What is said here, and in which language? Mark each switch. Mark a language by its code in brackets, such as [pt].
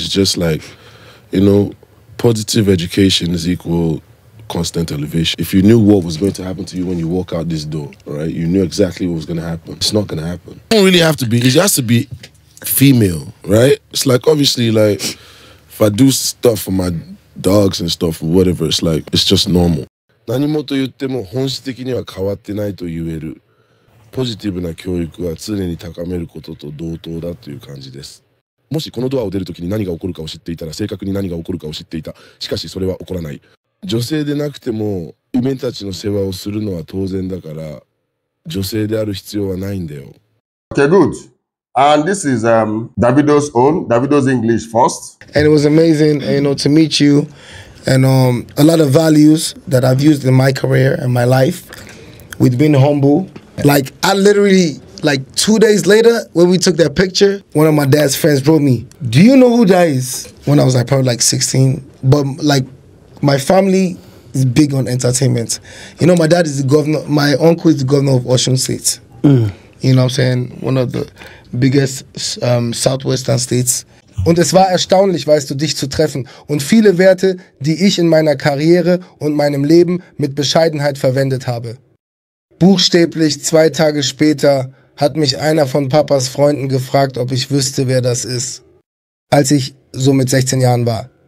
[en] It's just like, you know, positive education is equal constant elevation. If you knew what was going to happen to you when you walk out this door, right, you knew exactly what was going to happen. It's not going to happen. It don't really have to be. It has to be female, right? It's like, obviously, like, if I do stuff for my dogs and stuff, or whatever, it's like, it's just normal. [ja] 何もと言っても本質的には変わってないと言える。ポジティブな教育は常に高めることと同等だという感じです。もしこのドアを出るときに何が起こるかを知っていたら、正確に何が起こるかを知っていた。しかし、それは起こらない。女性でなくても、夢たちの世話をするのは当然だから、女性である必要はないんだよ。 [en] Okay, good. And this is Davido's own, Davido's English first. And it was amazing, you know, to meet you. And a lot of values that I've used in my career and my life with being humble. Like, I literally, like 2 days later, when we took that picture, one of my dad's friends wrote me, do you know who that is? When I was like probably like 16, but like, my family is big on entertainment. You know, my dad is the governor, my uncle is the governor of Ocean State. Mm. You know what I'm saying? One of the biggest southwestern states. [de] Und es war erstaunlich, weißt du, dich zu treffen. Und viele Werte, die ich in meiner Karriere und meinem Leben mit Bescheidenheit verwendet habe. Buchstäblich zwei Tage später hat mich einer von Papas Freunden gefragt, ob ich wüsste, wer das ist, als ich so mit 16 Jahren war.